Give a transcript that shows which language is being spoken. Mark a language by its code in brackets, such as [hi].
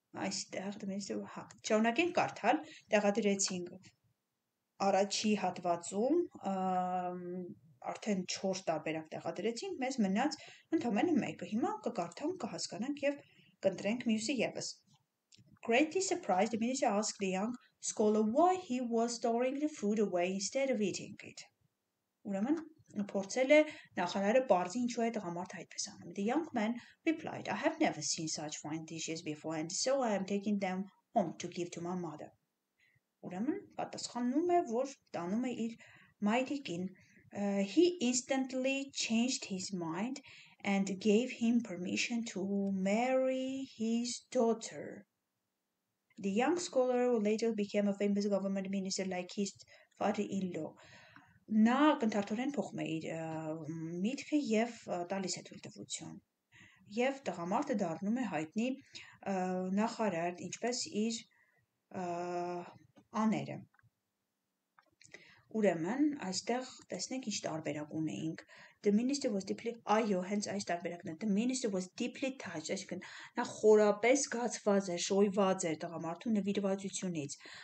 [hy] այստեղ դեմսը, հա, շոնակենք կարդալ, տեղադրեցինք առաջի հատվածում արդեն 4 տարբերակ տեղադրեցինք, մեզ մնաց ընդամենը 1-ը, հիմա կկարդանք, կհասկանանք եւ կընտրենք մյուսը եւս. [en] Greatly surprised, the minister asked the young scholar why he was throwing the food away instead of eating it. [hy] Ուրեմն փորձել է նախարարը բարձի ինչու է տղամարդը այդպես անում. [en] The young man replied, I have never seen such fine dishes before and so I am taking them home to give to my mother. [hy] Ուրեմն պատասխանում է, որ տանում է իր մայրիկին. [en] He instantly changed his mind and gave him permission to marry his daughter. The young scholar who later became a famous government minister like his father-in-law. [hy] Նա կնթարթորեն փոխում է իր միտքը եւ տալիս է թույլտվություն, եւ տղամարդը դառնում է հայտնի նախարար, ինչպես իր աները. Ուրեմն այստեղ տեսնենք ինչ տարբերակ ունենք. [en] The minister was deeply, [hy] այո, հենց այս տարբերակն է. [en] The minister was deeply touched, [hy] այսինքն նա խորապես զգացված էր, շոյված էր տղամարդու նվիրվածությունից.